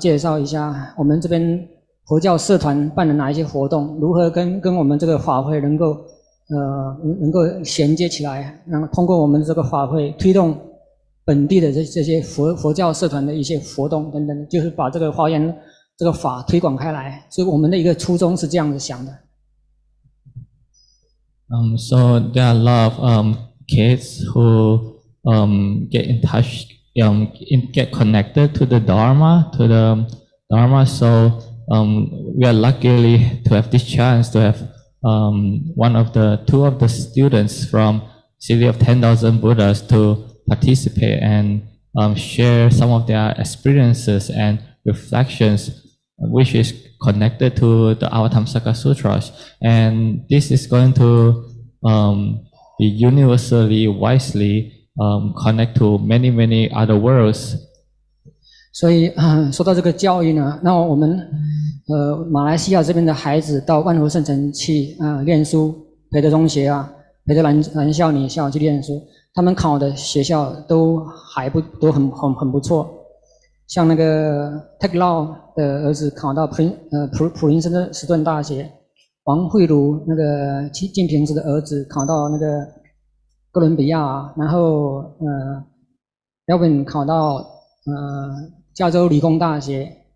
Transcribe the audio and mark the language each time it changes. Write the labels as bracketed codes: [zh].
[zh] 那我们就很想听听他的心得感受等等的，在万佛圣城每次法会完之后，都会有一个给大家分享心得的机会。那我们这边可能没有这个安排，那我就想说，借着这个机会，刚好陈志喜、陈国平的儿子他过来看我们，那我想说，不如安排他们两个同时上来，给大家介绍一下我们这边。佛教社团办了哪一些活动？如何跟我们这个法会能够，能够衔接起来？然后通过我们这个法会推动本地的这些佛教社团的一些活动等等，就是把这个法缘这个法推广开来。所以我们的一个初衷是这样子想的。 [en] So there are a lot of kids who get in touch, get connected to the Dharma, So we are luckily to have this chance to have two of the students from City of 10,000 Buddhas to participate and share some of their experiences and reflections, which is connected to the Avatamsaka Sutras. And this is going to be universally, wisely connect to many other worlds. [zh] 所以说到这个教育呢，那我们。马来西亚这边的孩子到万佛圣城去念书，培德中学啊，培德兰校里校去念书，他们考的学校都很不错，像那个 Tech Law 的儿子考到普林斯顿大学，王慧茹那个金平子的儿子考到那个哥伦比亚，然后Melvin考到加州理工大学。